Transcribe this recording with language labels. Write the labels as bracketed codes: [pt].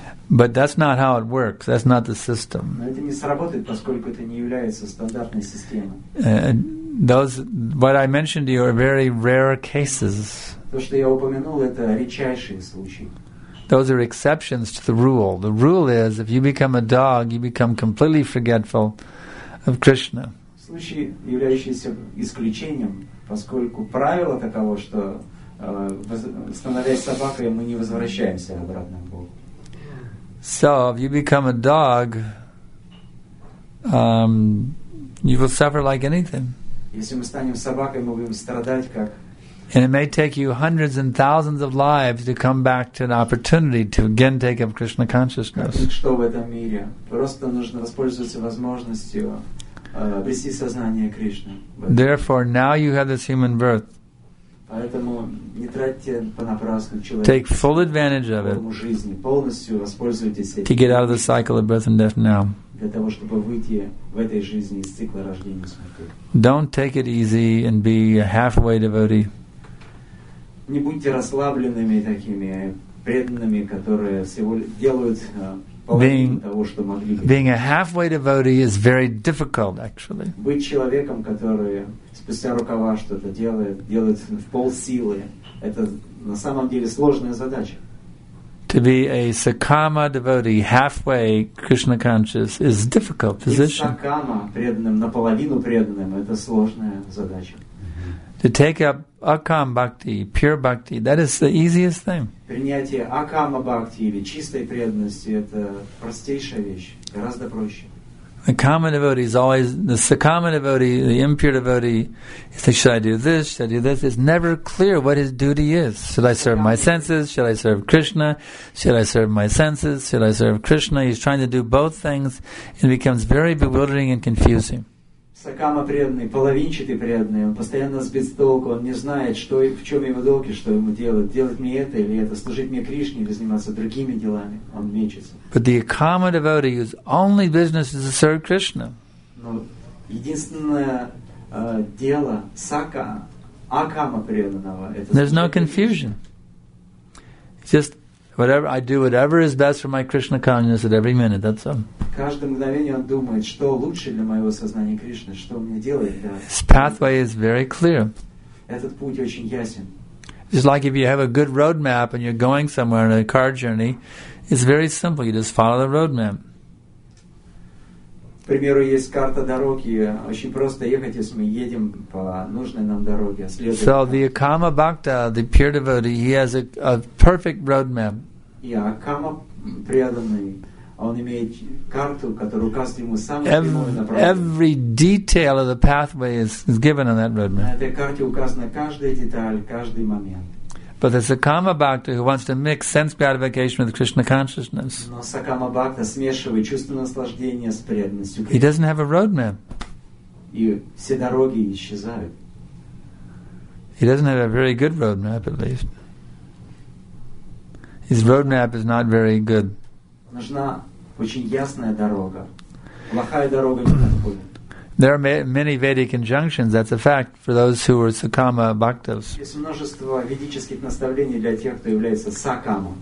[en] But that's not how it works. That's not the system. Those, what I mentioned to you, are very rare cases. Those are exceptions to the rule. The rule is, if you become a dog, you become completely forgetful of Krishna. [ru] случай, являющийся исключением, поскольку правило таково, что становясь собакой, мы не возвращаемся обратно к Богу. [en] So if you become a dog, you will suffer like anything. [ru] Если мы станем собакой, мы будем страдать как. [en] And it may take you hundreds and thousands of lives to come back to an opportunity to again take up Krishna consciousness. [ru] Что в этом мире? Просто нужно воспользоваться возможностью обрести сознание Кришны. [en] Therefore, now you have this human birth. [ru] Поэтому не тратьте понапрасну человека. [en] Take full advantage of it. [ru] Жизни полностью воспользуйтесь этим. [en] To get out of the cycle of birth and death now. [ru] Для того, чтобы выйти в этой жизни из цикла рождения и смерти. [en] Don't take it easy and be a halfway devotee. [ru] Не будьте расслабленными такими преданными, которые всего делают половину того, что могли. [en] Being a halfway devotee is very difficult, actually. [ru] Быть человеком, который спустя рукава что-то делает в полсилы, это на самом деле сложная задача. [en] To be a Sakama devotee, halfway Krishna conscious, is a difficult position. [ru] Быть Сакама преданным, наполовину преданным, это сложная задача. [en] To take up Akam Bhakti, pure Bhakti, that is the easiest thing. [ru] Принятие Акама Бхакти или чистой преданности — это простейшая вещь, гораздо проще. [en] The Kama devotee is always, the Sakama devotee, the impure devotee, he says, should I do this, should I do this? It's never clear what his duty is. Should I serve my senses? Should I serve Krishna? Should I serve my senses? Should I serve Krishna? He's trying to do both things. It becomes very bewildering and confusing. [ru] Сакама преданный, половинчатый преданный, он постоянно сбит с толку, он не знает, что и в чем его долг, что ему делать, делать мне это или это, служить мне Кришне или заниматься другими делами, он мечется. [en] But the Akama devotee whose only business is to serve Krishna. [ru] Но единственное дело Сака, Акама преданного, это. [en] There's no confusion. Just whatever I do, whatever is best for my Krishna consciousness at every minute. That's all. [ru] Каждое мгновение он думает, что лучше для моего сознания Кришны, что мне делать. [en] His pathway is very clear. [ru] Этот путь очень ясен. [en] It's like if you have a good roadmap and you're going somewhere on a car journey, it's very simple. You just follow the roadmap. [ru] К примеру, есть карта дороги, очень просто ехать, если мы едем по нужной нам дороге. [en] So the Akama Bhakta, the pure devotee, he has a perfect roadmap. [ru] Yeah, Akama преданный, он имеет карту, которая указывает ему самое прямое направление. [en] Every detail of the pathway is given on that roadmap. [ru] На этой карте указана каждая деталь, каждый момент. [en] But the Sakama Bhakta who wants to mix sense gratification with Krishna consciousness. [ru] Но Сакама Бхакта смешивает чувство наслаждения с преданностью. [en] He doesn't have a roadmap. [ru] И все дороги исчезают. [en] He doesn't have a very good roadmap, at least. His roadmap is not very good. [ru] Нужна очень ясная дорога. Плохая дорога не подходит. [en] There are many Vedic injunctions, that's a fact, for those who are Sakama Bhaktas.